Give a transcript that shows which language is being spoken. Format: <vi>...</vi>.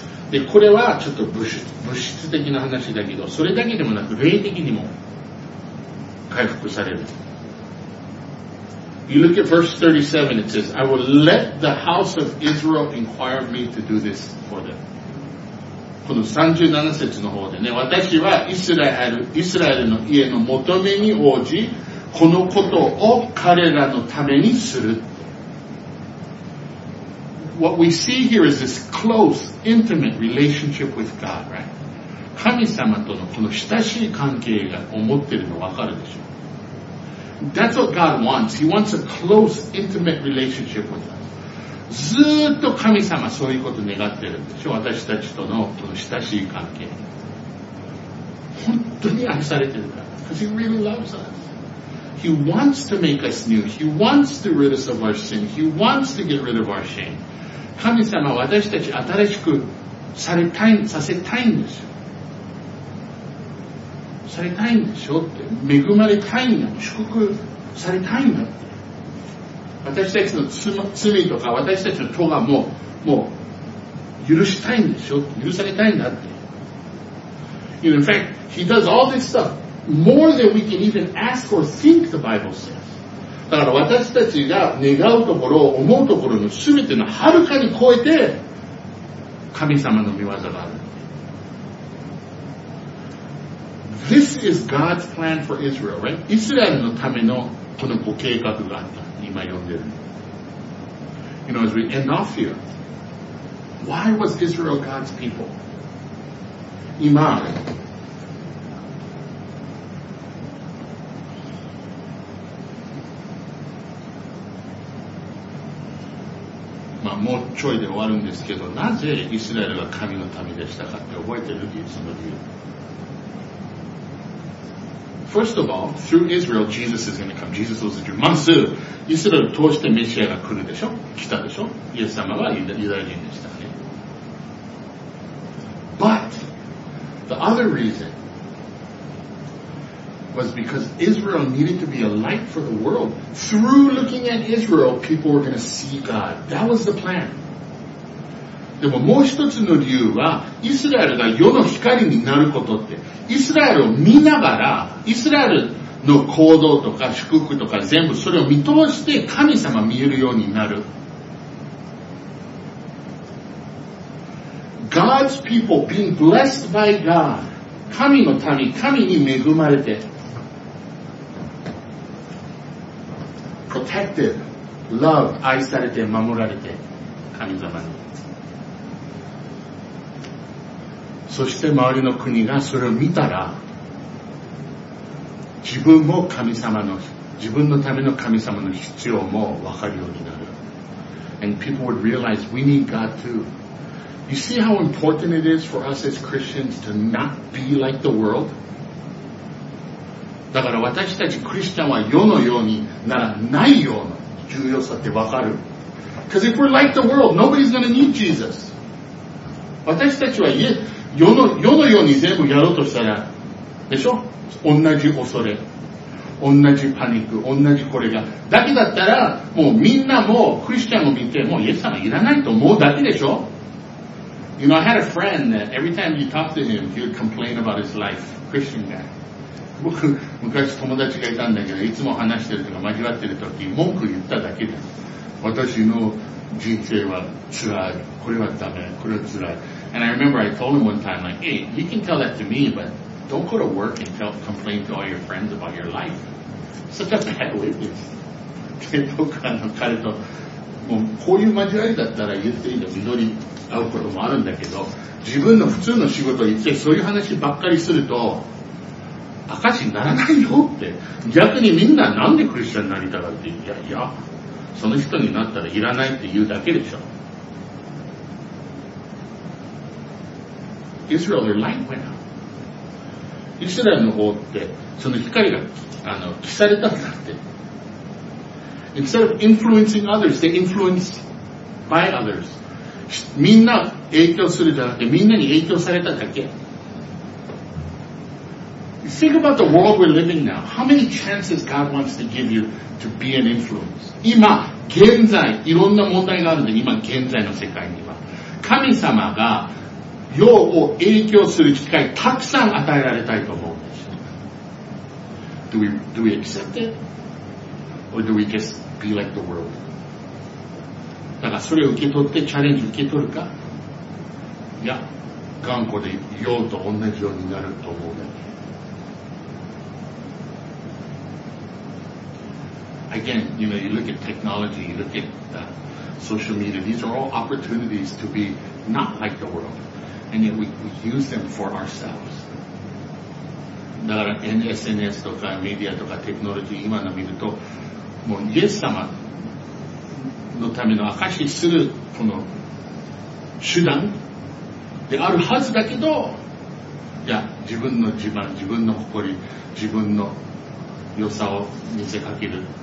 <ja>で、これはちょっと物質的な話だけど、それだけでもなく霊的にも回復される。</ja> <en>You look at verse 37, it says, I will let the house of Israel inquire me to do this for them.</en> <ja>この37節の方でね、私はイスラエルの家の求めに応じ、このことを彼らのためにする。</ja> <en>What we see here is this close, intimate relationship with God, right?</en> <ja>神様とのこの親しい関係が思ってるの分かるでしょ。</ja> <en>That's what God wants. He wants a close, intimate relationship with us.</en> <ja>ずっと神様そういうこと願ってるんでしょ。私たちとのこの親しい関係。本当に愛されてるから。</ja> <en>Because He really loves us. He wants to make us new. He wants to rid us of our sin. He wants to get rid of our shame.</en> <ja>神様は私たち新しくされたい、させたいんですよ。されたいんでしょって。恵まれたいんだ。祝福されたいんだって。私たちの罪とか私たちの咎がもう許したいんでしょって。許されたいんだって。</ja> <en>You know, in fact, he does all this stuff. More than we can even ask or think, the Bible says.</en> <ja>だから私たちが願うところ、思うところの全てのはるかに超えて、神様の御業がある。</ja> <en>This is God's plan for Israel, right?</en> <ja>イスラエルのためのこのご計画があった。今読んでる。</ja> <en>You know, as we end off here, why was Israel God's people?</en> <ja>今、もうちょいで終わるんですけど、なぜイスラエルが神の民でしたかって覚えてる？その理由。</ja> <en>First of all, through Israel, Jesus is going to come. Jesus was a Jew.</en> <ja>まず、イスラエルを通してメシアが来るでしょ？来たでしょ？イエス様はユダヤ人でしたね。</ja> <en>But, the other reason was because Israel needed to be a light for the world. Through looking at Israel, people were going to see God. That was the plan.</en> <ja>でももう一つの理由は、イスラエルが世の光になることって、イスラエルを見ながら、イスラエルの行動とか祝福とか全部それを見通して神様見えるようになる。</ja> <en>God's people being blessed by God.</en> <ja>神の民、神に恵まれて、</ja> <en>Protected, loved,</en> <ja>愛されて守られて神様に。そして周りの国がそれを見たら、自分も神様の、自分のための神様の必要も分かるようになる。</ja> <en>And people would realize we need God too. You see how important it is for us as Christians to not be like the world?</en> <ja>だから私たちクリスチャンは世のようにならないような重要さってわかる。</ja> <en>Because if we're like the world, nobody's gonna need Jesus.</en> <ja>私たちは世のように全部やろうとしたら、でしょ？同じ恐れ、同じパニック、同じこれが。だけだったら、もうみんなもクリスチャンを見て、もうイエス様いらないと思うだけでしょ？</ja> <en>You know, I had a friend that every time you talk to him, he would complain about his life, Christian guy.</en> <ja>僕昔友達がいたんだけど、いつも話してるとか交わってる時文句言っただけです。私の人生は辛い、これはダメ、これは辛い。</ja> <en>And I remember I told him one time, like, hey, you can tell that to me, but don't go to work and tell, complain to all your friends about your life. Such a bad witness.</en> <ja>で、僕は彼ともうこういう交わりだったら言っていいの、祈り合うこともあるんだけど、自分の普通の仕事を言ってそういう話ばっかりすると証にならないよって。逆にみんななんでクリスチャンになりたがって、いやいや、その人になったらいらないって言うだけでしょ。</ja> <en>Israel, their light went out.</en> <ja>イスラエルの方ってその光が消されたんだって。</ja> <en>Instead of influencing others, they influence by others.</en> <ja>みんな影響するじゃなくて、みんなに影響されただけ。</ja> <en>Think about the world we're living now. How many chances God wants to give you to be an influence?</en> <ja>今、現在、いろんな問題があるんで、今、現在の世界には。神様が世を影響する機会たくさん与えられたいと思うんです。</ja> <en>Do we accept it? Or do we just be like the world?</en> <ja>だからそれを受け取ってチャレンジ受け取るか、いや、頑固で世と同じようになると思うね。</ja> <en>Again, you know, you look at technology, you look at social media, these are all opportunities to be not like the world. And yet we use them for ourselves.</en> <ja>だから SNS とかメディアとかテクノロジー今の見ると、もうイエス様のための証しするこの手段であるはずだけど、いや、自分の自慢、自分の誇り、自分の良さを見せかける。</ja>